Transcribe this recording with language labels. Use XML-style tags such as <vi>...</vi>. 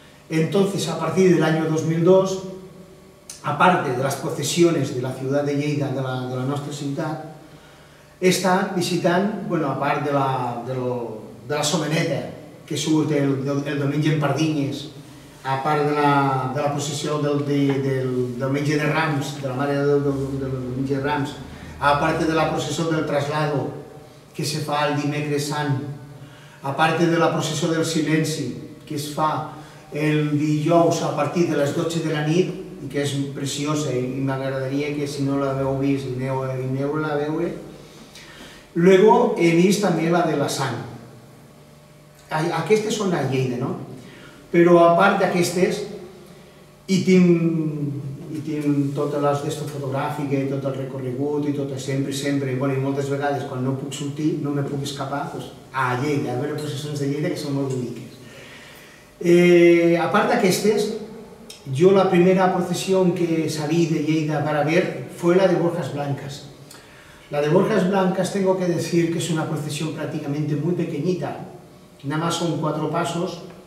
<es>Entonces, a partir del año 2002, aparte de las procesiones de la ciudad de Lleida, de la nuestra ciudad, esta visitan, bueno, aparte de la Someneta, que surte el domingo en Pardiñes, aparte de la procesión del domingo de Rams, de la Mare de Déu del domingo de Rams, aparte de la procesión del traslado que se fa el dimecres sant,</es> <ca>aparte de la procesión del silenci que es fa el dijous a partir de les 12 de la nit, i que és preciosa i m'agradaria que si no l'haveu vist aneu a veure. Luego he vist també la de la Sant. Aquestes són a Lleida, no? Però a part d'aquestes, i tinc totes les d'esto fotogràfiques, tot el recorregut i tot, sempre, bueno, i moltes vegades quan no puc sortir, no me puc escapar, pues, a Lleida, a veure processons de Lleida que són molt boniques.</ca> <es>A part d'aquestes, jo la primera procesión que salí de Lleida para ver fue la de Borjas Blancas. La de Borjas Blancas tengo que decir que es una procesión prácticamente muy pequeñita, nada más son cuatro pasos.</es>